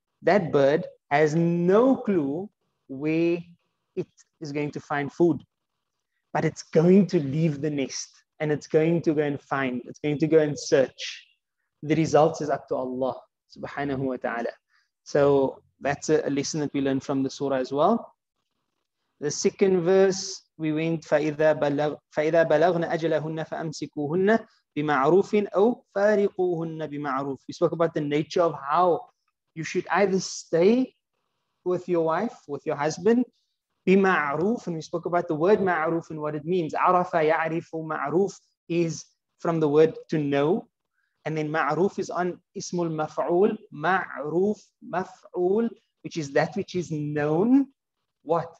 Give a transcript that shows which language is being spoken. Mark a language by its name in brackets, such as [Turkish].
[English] That bird has no clue where it is going to find food, but it's going to leave the nest and it's going to go and find. It's going to go and search. The results is up to Allah subhanahu wa ta'ala. So that's a lesson that we learned from the surah as well. [Arabic] The second verse we went, فَإِذَا بَلَغْنَ أَجَلَهُنَّ فَأَمْسِكُوهُنَّ بِمَعْرُوفٍ أَوْ فَارِقُوهُنَّ بِمَعْرُوفٍ. [English] We spoke about the nature of how you should either stay with your wife, with your husband, بِمَعْرُوفٍ, and we spoke about the word ma'roof and what it means. [Arabic] عَرَفَ يَعْرِفُ [English] ma'roof is from the word to know. And then ma'roof is on ismul maf'ul, ma'roof, maf'ul, which is that which is known, what?